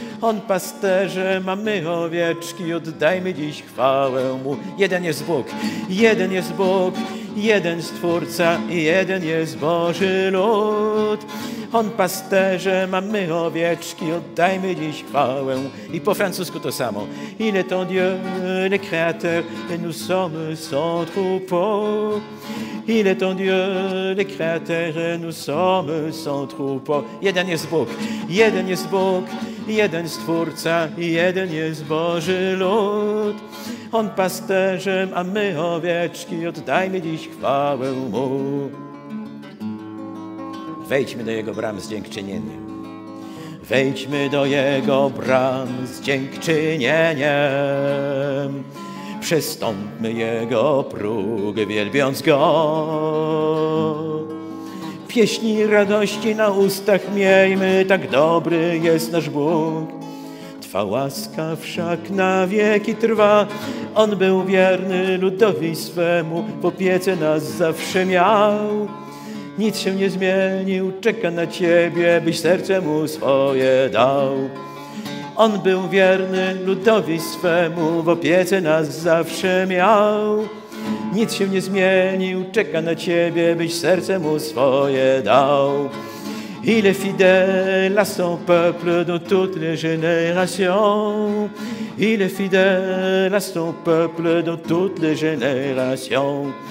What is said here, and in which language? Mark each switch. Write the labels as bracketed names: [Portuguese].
[Polish] On pasterzem, a my owieczki, oddajmy dziś chwałę Mu. Jeden jest Bóg, jeden jest Bóg, jeden Stwórca i jeden jest Boży lud. On pasterzem, a my owieczki, oddajmy dziś chwałę. I po francusku to samo. [French] Il est ton Dieu, le Créateur, et nous sommes son troupeau. Il est ton Dieu, le Créateur, et nous sommes son troupeau. [Polish] Jeden jest Bóg, jeden jest Bóg, jeden Stwórca i jeden jest Boży lud. On pasterzem, a my owieczki, oddajmy dziś chwałę Mu. Wejdźmy do Jego bram z dziękczynieniem. Wejdźmy do Jego bram z dziękczynieniem. Przestąpmy Jego próg, wielbiąc Go. Pieśni radości na ustach miejmy, tak dobry jest nasz Bóg. Twa łaska wszak na wieki trwa. On był wierny ludowi swemu, w opiece nas zawsze miał. Nic się nie zmienił, czeka na Ciebie, byś serce mu swoje dał. On był wierny ludowi swemu, w opiece nas zawsze miał. Nic się nie zmienił, czeka na ciebie, byś serce mu swoje dał. [French] Il est fidèle à son peuple dans toutes les générations. Il est fidèle à son peuple dans toutes les générations.